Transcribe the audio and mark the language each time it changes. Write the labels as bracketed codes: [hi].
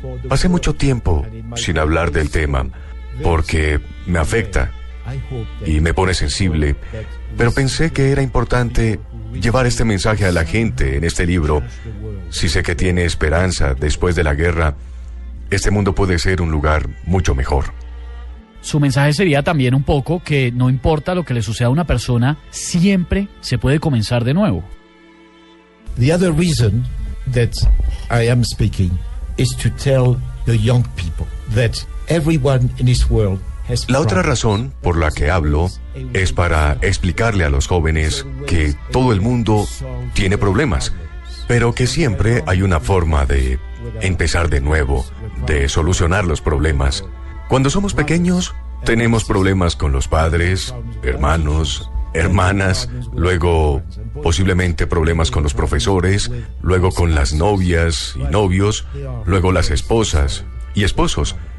[es] Pasé mucho tiempo sin hablar del tema porque me afecta y me pone sensible, pero pensé que era importante llevar este mensaje a la gente en este libro. Si sé que tiene esperanza después de la guerra, este mundo puede ser un lugar mucho mejor. Su mensaje sería también un poco que no importa lo que le suceda a una persona, siempre se puede comenzar de nuevo. [en] The other reason that I am speaking is to tell the young people that everyone in this world has. [es] La otra razón por la que hablo es para explicarle a los jóvenes que todo el mundo tiene problemas, pero que siempre hay una forma de empezar de nuevo, de solucionar los problemas. Cuando somos pequeños, tenemos problemas con los padres, hermanos, hermanas, luego posiblemente problemas con los profesores, luego con las novias y novios, luego las esposas y esposos.